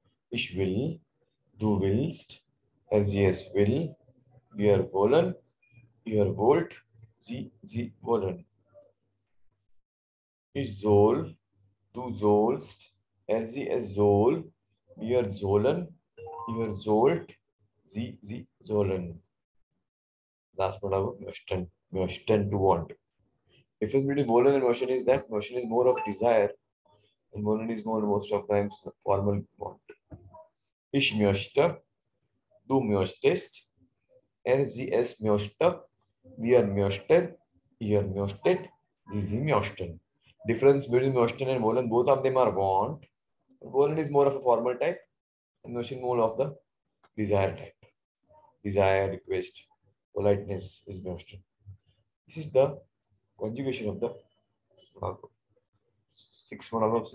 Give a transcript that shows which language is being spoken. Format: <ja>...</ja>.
<de>Ich will, du willst, er, sie, es will, wir wollen, ihr wollt, sie wollen. Ich soll, du sollst, er, sie, es soll, wir sollen, ihr sollt, sie sollen.</de> <en>Last one about möchten, möchten, to want. Difference between wollen and möchten is that möchten is more of desire and wollen is more most of times formal want.</en> <de>Ich möchte, du möchtest, er, sie, es möchte, wir möchten, ihr möchtet, sie möchten.</de> <en>Difference between möchten and wollen, both of them are want. Wollen is more of a formal type, and möchten more of the desire type. Desire, request, politeness is möchten. This is the conjugation of the six modal verbs.</en>